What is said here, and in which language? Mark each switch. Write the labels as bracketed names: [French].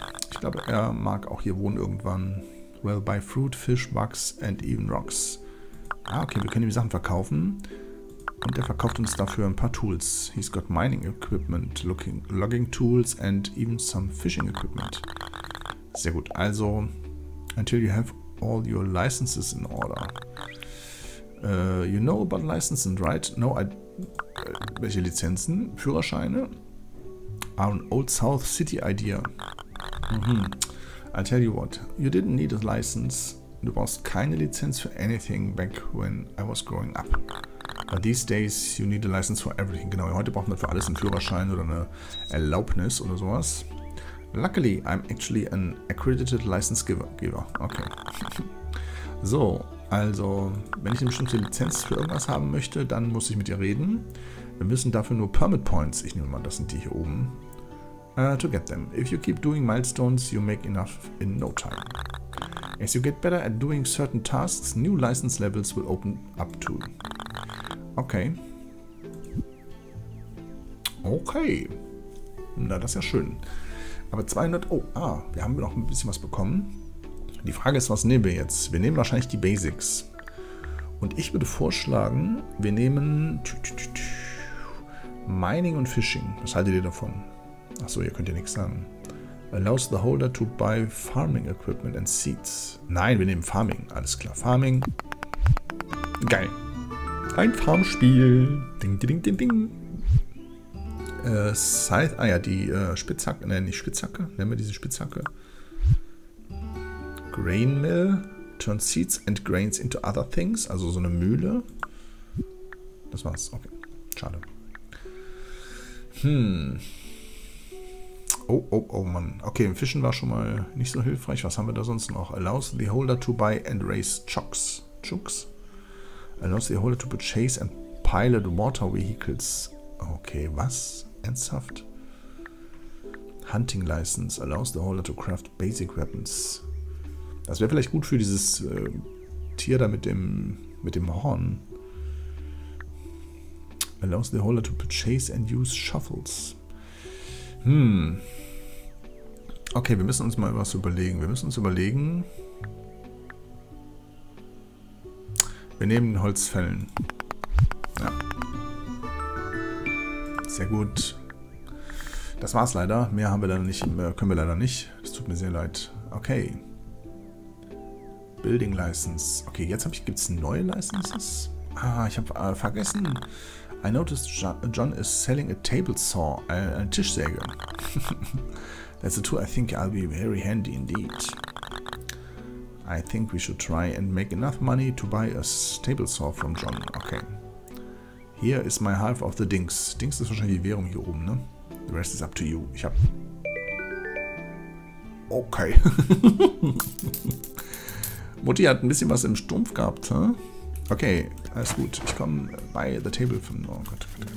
[German] Ich glaube, er mag auch hier wohnen irgendwann. [English] Well, buy fruit, fish, bugs and even rocks. [German] Ah, okay, wir können ihm die Sachen verkaufen. Und er verkauft uns dafür ein paar Tools. [English] He's got mining equipment, logging tools and even some fishing equipment. [German] Sehr gut. [English] Also, until you have all your licenses in order. You know about licenses, right? No, I. [German] Welche Lizenzen? Führerscheine? [English] An old South City idea. I'll tell you what. You didn't need a license. [German] Du brauchst keine Lizenz für [English] anything back when I was growing up. But these days you need a license for everything. [German] Genau, heute braucht man für alles einen Führerschein oder eine Erlaubnis oder sowas. [English] Luckily, I'm actually an accredited license giver. Okay. [German] So, also, wenn ich eine bestimmte Lizenz für irgendwas haben möchte, dann muss ich mit dir reden. Wir müssen dafür nur Permit Points, ich nehme mal, das sind die hier oben, [English] to get them. If you keep doing milestones, you make enough in no time. As you get better at doing certain tasks, new license levels will open up too. Okay. [German] Okay. Na, das ist ja schön. Aber 200. Oh, wir haben noch ein bisschen was bekommen. Die Frage ist, was nehmen wir jetzt? Wir nehmen wahrscheinlich die Basics. Und ich würde vorschlagen, wir nehmen Mining und Fishing. Was haltet ihr davon? Achso, ihr könnt ja nichts sagen. [English] Allows the holder to buy farming equipment and seeds. [German] Nein, wir nehmen Farming. Alles klar, Farming. Geil. Ein Farmspiel. Ding, ding, ding, ding. Scythe, ja, die Spitzhacke, nein, nicht Spitzhacke, nennen wir diese Spitzhacke. [English] Grain Mill turns seeds and grains into other things, [German] also so eine Mühle. Das war's, okay. Schade. Oh, Mann. Okay, im Fischen war schon mal nicht so hilfreich. Was haben wir da sonst noch? [English] Allows the holder to buy and raise chooks. Chooks? Allows the holder to purchase and pilot water vehicles. [German] Okay, was? Ernsthaft? [English] Hunting License allows the holder to craft basic weapons. [German] Das wäre vielleicht gut für dieses Tier da mit dem Horn. [English] Allows the holder to purchase and use shuffles. [German] Okay, wir müssen uns mal was überlegen. Wir nehmen Holzfällen. Ja. Sehr gut. Das war's leider. Mehr haben wir dann nicht, können wir leider nicht. Es tut mir sehr leid. Okay. Building License. Okay, jetzt gibt es neue Licenses. Ah, ich habe vergessen. [English] I noticed John is selling a table saw. [German] Eine Tischsäge. [English] That's a tool I think I'll be very handy indeed. I think we should try and make enough money to buy a table saw from John. Okay. Here is my half of the dinks. [German] Dinks ist wahrscheinlich die Währung hier oben, ne? [English] The rest is up to you. [German] Ich hab... Okay. Mutti hat ein bisschen was im Stumpf gehabt, hä? Okay, alles gut. Ich komme bei [English] the table from... [German] Oh Gott.